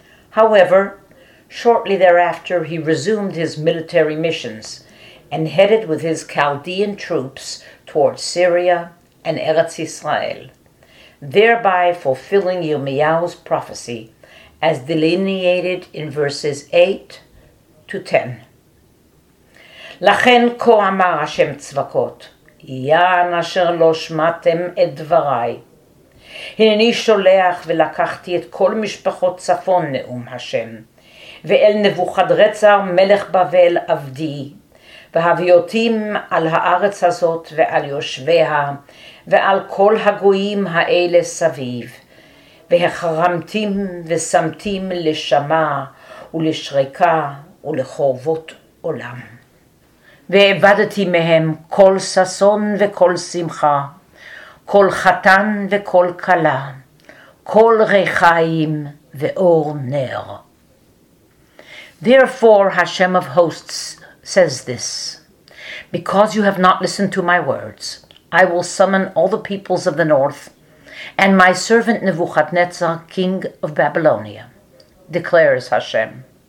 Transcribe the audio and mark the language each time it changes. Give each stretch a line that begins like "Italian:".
English: However, shortly thereafter, he resumed his military missions and headed with his Chaldean troops towards Syria and Eretz Israel, thereby fulfilling Yirmiyahu's prophecy as delineated in verses 8 to 10.
Hebrew: לכן כה אמר השם צבקות, יען אשר לא שמעתם את דבריי. הנני שולח ולקחתי את כל משפחות צפון נאום השם, ואל נבוכדרצר מלך בבל עבדי, והביותים על הארץ הזאת ועל יושביה, ועל כל הגויים האלה סביב, והחרמתים ושמתים לשמע ולשריקה ולחורבות עולם. ועבדתי מהם כל ססון וכל שמחה, כל חתן וכל כלה, כל ריחיים ואור נר.
English: Therefore, Hashem of hosts says this, because you have not listened to my words, I will summon all the peoples of the north, and my servant Nebuchadnezzar, king of Babylonia, declares Hashem.